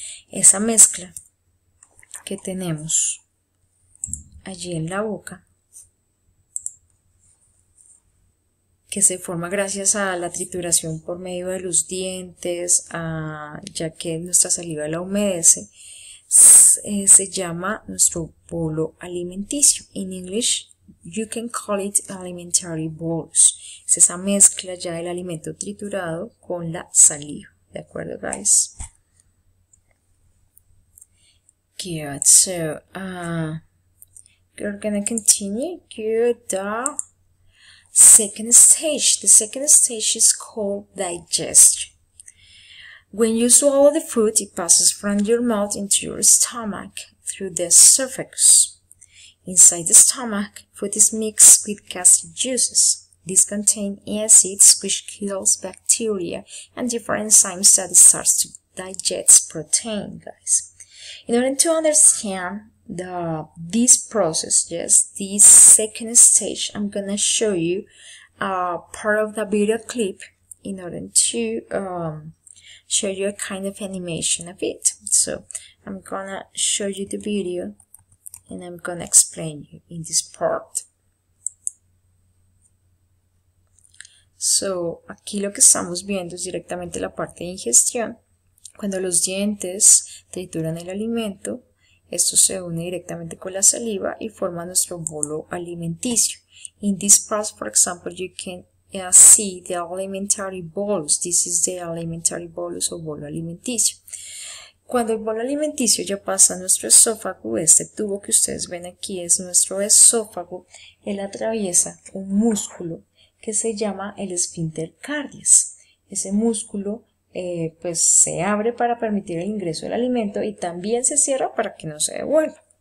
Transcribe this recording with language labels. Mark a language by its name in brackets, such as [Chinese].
[Spanish] Esa mezcla que tenemos allí en la boca, que se forma gracias a la trituración por medio de los dientes, ya que nuestra saliva la humedece, se llama nuestro bolo alimenticio. [English] In English, you can call it alimentary bolus. [Spanish] Es esa mezcla ya del alimento triturado con la saliva. ¿De acuerdo, guys? [English] Good. So, we're gonna continue. Good. Second stage. The second stage is called digestion. When you swallow the food, it passes from your mouth into your stomach through the esophagus. Inside the stomach, food is mixed with gastric juices. These contain acids which kills bacteria and different enzymes that starts to digest protein, guys. In order to understand this process, yes, this second stage, I'm gonna show you a part of the video clip in order to show you a kind of animation of it. So I'm gonna show you the video and I'm gonna explain you in this part. [Spanish] So aquí lo que estamos viendo es directamente la parte de ingestión. Cuando los dientes trituran el alimento, esto se une directamente con la saliva y forma nuestro bolo alimenticio. [English] In this part, for example, you can see the alimentary bolus. This is the alimentary bolus, [Spanish] o bolo alimenticio. Cuando el bolo alimenticio ya pasa a nuestro esófago, este tubo que ustedes ven aquí es nuestro esófago, él atraviesa un músculo que se llama el esfínter cardias. Ese músculo pues se abre para permitir el ingreso del alimento y también se cierra para que no se devuelva.